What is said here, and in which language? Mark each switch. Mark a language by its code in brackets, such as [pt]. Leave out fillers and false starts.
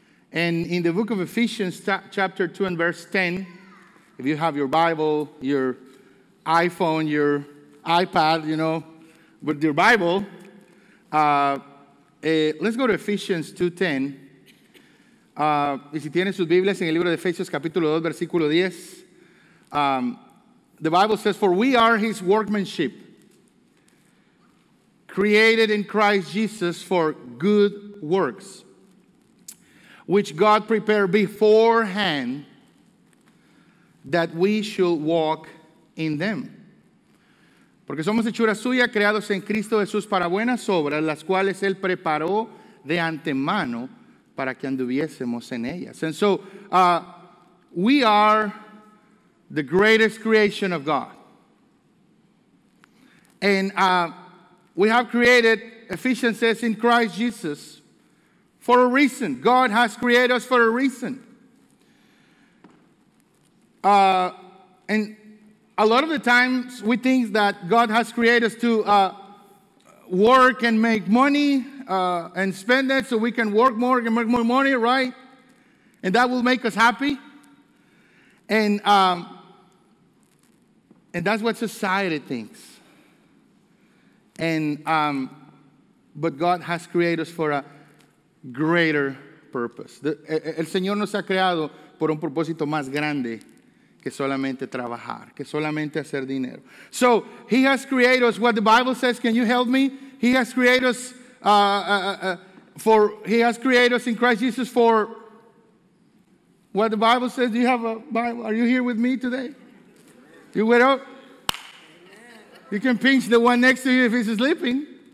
[en] And in the book of Ephesians chapter 2 and verse 10, if you have your Bible, your iPhone, your iPad, with your Bible, let's go to Ephesians 2:10. [es] Y si tienen sus Biblias en el libro de Efesios, capítulo 2, versículo 10. [en] The Bible says, "For we are His workmanship, created in Christ Jesus for good works, which God prepared beforehand that we should walk in them." [es] Porque somos hechura suya, creados en Cristo Jesús para buenas obras, las cuales Él preparó de antemano para que anduviésemos en ellas. [en] And so, we are the greatest creation of God. And we have created, Ephesians says, in Christ Jesus, for a reason. God has created us for a reason. And a lot of the times, we think that God has created us to work and make money, and spend that so we can work more and make more money, right? And that will make us happy. And that's what society thinks. But God has created us for a greater purpose. [es] El Señor nos ha creado por un propósito más grande que solamente trabajar, que solamente hacer dinero. [en] So He has created us, what the Bible says, can you help me? He has created us in Christ Jesus for what the Bible says. Do you have a Bible? Are you here with me today? You wake up? You can pinch the one next to you if he's sleeping.